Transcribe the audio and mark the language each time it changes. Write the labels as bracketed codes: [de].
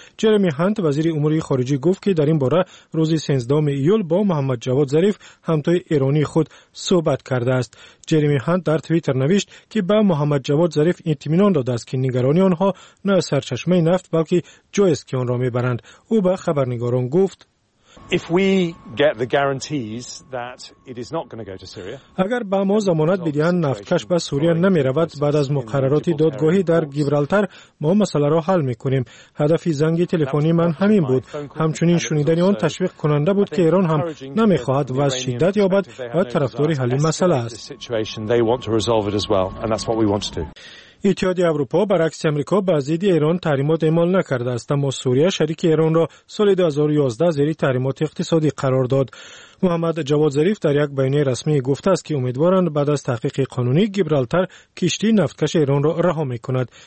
[fa] جرمی هانت وزیر امور خارجه گفت که در این باره روز 13 ایول با محمد جواد ظریف همتای ایرانی خود صحبت کرده است. جرمی هانت در توییتر نوشت که با محمد جواد ظریف اطمینان داده است که نگرانی آنها نه سرچشمه نفت بلکه جایی است که آن را میبرند. او به خبرنگاران گفت: [en] If we get the guarantees that it is not going to go to Syria. [fa] اگر با ما ضمانت بدهند نفتکش به سوریه نمی‌رود، بعد از مقررات دادگاهی در گیبرالتر ما مسئله را حل می‌کنیم. هدف زنگ تلفنی من همین بود. همچنین شنیدنی آن تشویق کننده بود که ایران هم نمی‌خواهد وضع شدت یابد و طرفدار حل مسئله است. [en] They want to resolve it as well and that's what we want to do. [fa] اتحادیه اروپا برعکس امریکا به ضد ایران تحریمات اعمال نکرده است، اما سوریه شریک ایران را سال 2011 زیر تحریمات اقتصادی قرار داد. محمد جواد ظریف در یک بیانیه رسمی گفته است که امیدوارند بعد از تحقیق قانونی گیبرالتر کشتی نفتکش ایران را رها میکند.